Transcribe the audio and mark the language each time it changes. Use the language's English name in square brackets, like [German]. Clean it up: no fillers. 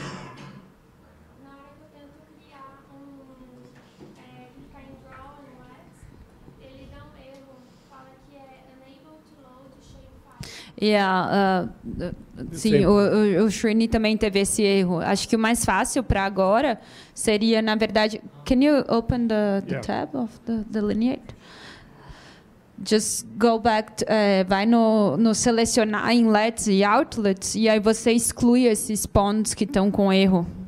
[Portuguese] Na hora que eu tento criar clicar em draw no X, ele dá um erro, fala que é [English] unable to load shapefile. [Portuguese] Sim, o Shrini também teve esse erro. Acho que o mais fácil para agora seria, na verdade... [English] Can you open the tab of the lineate? Just go back, [Portuguese] vai no selecionar inlets e outlets, e aí você exclui esses ponds que estão com erro.